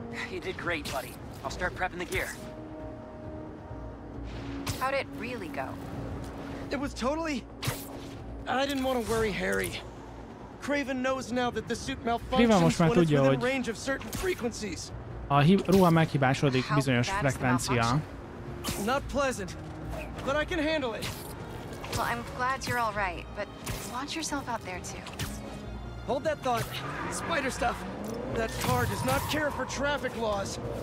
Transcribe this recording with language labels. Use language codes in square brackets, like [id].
[en] You did great, buddy. I'll start prepping the gear. How'd it really go? It was totally... I didn't want to worry Harry. Craven knows now that the suit malfunctions when it's within range of certain frequencies. [hu] Ruha meghibásodik bizonyos frekvencia. [en] Not pleasant, but I can handle it. Well, I'm glad you're all right, but watch yourself out there, too. Hold that thought. Spider stuff. That car does not care for traffic laws.